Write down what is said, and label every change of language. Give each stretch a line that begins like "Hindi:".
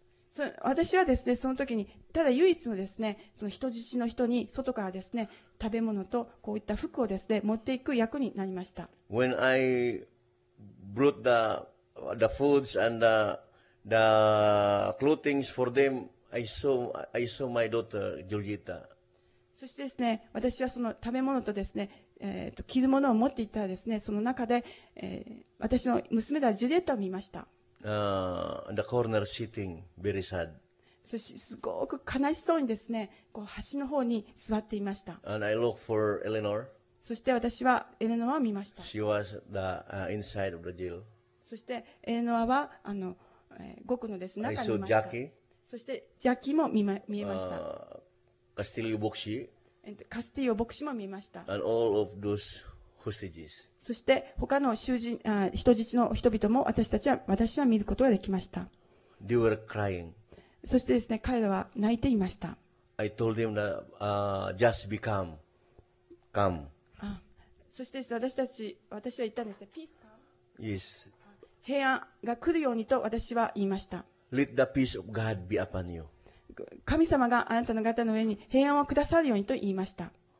Japanese: そ私はですね、その時にただ唯一のですね、その人質の人に外からですね、食べ物とこういった服をですね、持っていく役になりました。
English: When I brought the foods and the clothing for them, I saw my daughter Julieta.
Japanese: そしてですね、私はその食べ物とですね、着るものを持っていったらですね、その中で、私の娘だジュリエットを見ました。
English: The corner sitting, very sad.
Japanese: そしてすごく悲しそうにですね、こう端の方に座っていました。
English: And I looked for Eleanor.
Japanese: そして私はエレノアを見ました。
English: She was the inside of the jail.
Japanese: そしてエレノアはあの獄のですね、中にいました。そしてジャッキーも見えました。カスティリオ牧師。カスティリオ牧師も見えました。
English: And all of those. Hostages.
Japanese: そして他の囚人、人質の人々も私は見ることができました。
English: They were crying.
Japanese: そしてですね、彼らは泣いていました。
English: I told them that, just be calm. Calm.
Japanese: そしてですね、私は言ったんですね、
English: peace come. Yes.
Japanese: 平安が来るようにと私は言いました。
English: Let the peace of God be upon you.
Japanese: 神様があなたの方の上に平安をくださるようにと言いました。